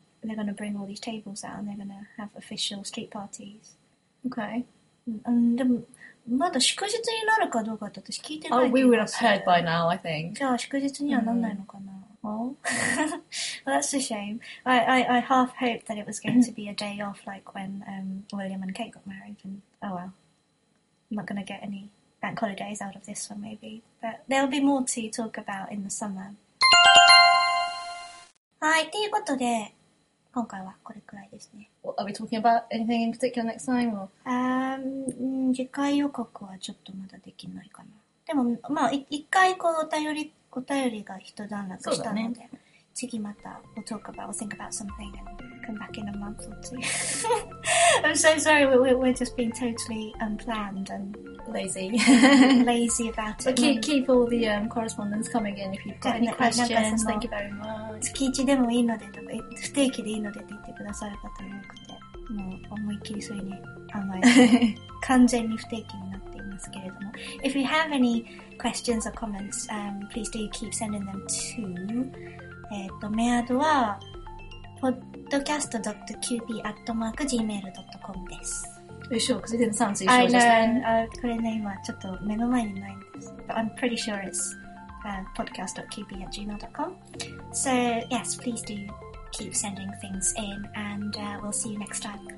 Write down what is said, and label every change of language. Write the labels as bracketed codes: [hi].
[en] They're gonna bring all these tables out and they're gonna have official street parties. Okay. [ja] でも、まだ祝日になるかどうかって私聞いてない気がする。 [en] Oh, we would have heard by now, I think. [ja] じゃあ祝日にはなんないのかな。 [en] Mm. Well, well, that's a shame. I half hoped that it was going to be a day off like when William and Kate got married. And, oh well. I'm not going to get any bank holidays out of this one, maybe. But there'll be more to talk about in the summer. [ja] はい、ということで、今回はこれくらいですね。 [en] Well, are we talking about anything in particular next time? Or? [ja] 次回予告はちょっとまだできないかな。でも、まあ、一回こうお便りが一段落したので、ね、次また、 [en] we'll talk about, we'll think about something and come back in a month or two. I'm so sorry, we're just being totally unplanned and lazy. lazy about it. But keep all the correspondence coming in if you've got any questions. Thank you very much. [ja] 月一でもいいので、とか、不定期でいいのでって言ってくださる方も多くて、もう思いっきりそれに甘えて、完全に不定期になっていますけれども。 [en] If you have any questions or comments, please do keep sending them to, [ja] メアドは、 [en] podcast.qp@gmail.com です。 Sure, because it didn't sound so easy. I know. [ja] これね、今ちょっと目の前にないんです。 [en] But I'm pretty sure it's podcast.qp@gmail.com. So, yes, please do keep sending things in, and we'll see you next time.